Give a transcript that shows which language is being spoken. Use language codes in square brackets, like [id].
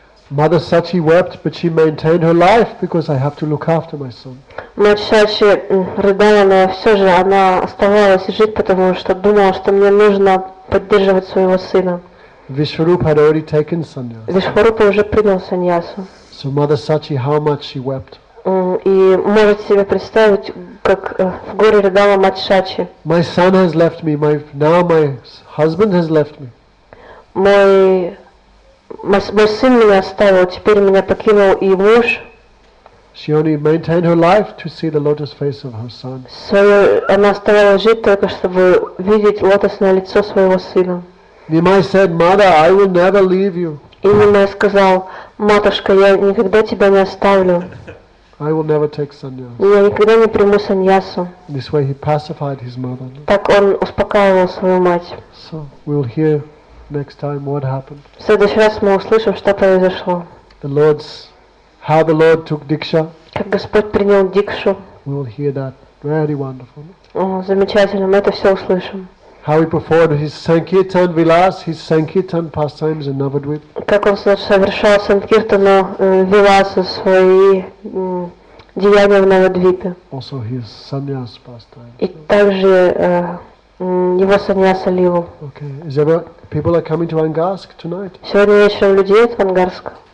[en] Mother Sachi wept, but she maintained her life because I have to look after my son. [ru] Мать Сачи рыдала, но все же она оставалась жить, потому что думала, что мне нужно поддерживать своего сына. [en] Vishwarupa had already taken sannyas. [ru] Vishwarupa уже принял саньясу. [en] So Mother Sachi, how much she wept. [ru] И можете себе представить, как в горе рыдала мать Сачи. [en] My son has left me. Now my husband has left me. [ru] Мой сын меня оставил, теперь меня покинул и муж. [en] She only maintained her life to see the lotus face of her son. [ru] Она оставалась жить только чтобы видеть лотосное лицо своего сына. [en] Nimai said, "Mother, I will never leave you." [ru] И Nimai сказал, матушка, я никогда тебя не оставлю. [en] I will never take sannyas. [ru] Я никогда не приму саньясу. [en] This way he pacified his mother. [ru] Так он успокаивал свою мать. [en] So we'll hear next time what happened. [ru] В следующий раз мы услышим, что произошло. [en] How the Lord took diksha. [ru] Как Господь принял дикшу. [en] We'll hear that. Very wonderful. [ru] Замечательно, мы это все услышим. [en] How he performed his sankirtan vilas, his sankirtan pastimes in Navadvip. [ru] Как он совершал санкиртану виласы свои деяния в Навадвипе. [en] Also his sannyas pastime. [ru] И также его саньяса ливу. [en] Okay. Is there people are coming to Angarsk tonight? [ru] Сегодня вечером люди едут в Ангарск.